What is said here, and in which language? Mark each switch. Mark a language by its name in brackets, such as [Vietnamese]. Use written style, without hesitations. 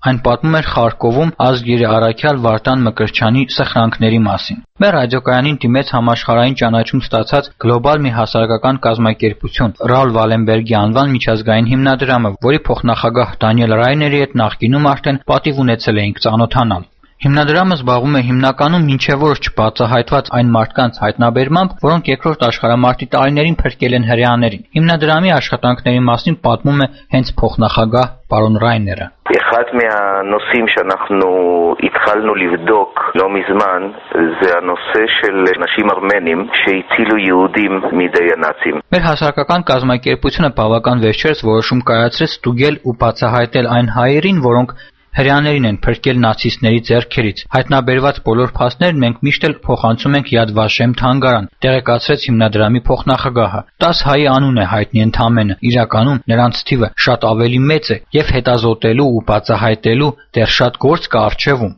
[Armenian] Այն պատմում էր Խարկովում ազգերի առաքյալ Վարդան Մկրտչյանի սխրանքների մասին։ Մեր ռադիոկայանին դիմեց համաշխարհային ճանաչում ստացած գլոբալ մի հասարակական կազմակերպություն՝ Ռալ Վալենբերգի անվան միջազգային հիմնադրամը, որի փոխնախագահ Դանիել Ռայների հետ նախկինում արդեն պատիվ ունեցել էինք ծանոթանալ։ Հիմնադրամը զբաղվում է հիմնականում մինչև օրս չբացահայտված այն մարդկանց հայտնաբերմամբ, որոնք երկրորդ աշխարհամարտի տարիներին փրկել են հրեաներին։ Հիմնադրամի աշխատանքների մասին պատմում է հենց փոխնախագահ պարոն Ռայները։ [Hebrew] אחד מהנושאים שאנחנו התחלנו לבדוק לא מזמן זה הנושא של נשים ארמנים שהצילו יהודים מידי הנאצים. [Armenian] מר հասարակական կազմակերպությունը բավական վերջերս որոշում կայացրեց ստուգել ու բացահայտել այն հայերին, որոնք հրեաներին են փրկել նացիստների ձեռքերից։ Հայտնաբերված բոլոր փաստներ մենք միշտ էլ փոխանցում ենք Յադ Վաշեմ թանգարան, տեղեկացրեց հիմնադրամի փոխնախագահը։ 10 հայի անուն է հայտնի ընդամենը, իրականում նրանց թիվը շատ ավելի մեծ է, եւ հետազոտելու ու բացահայտելու դեռ շատ գործ կա առջևում։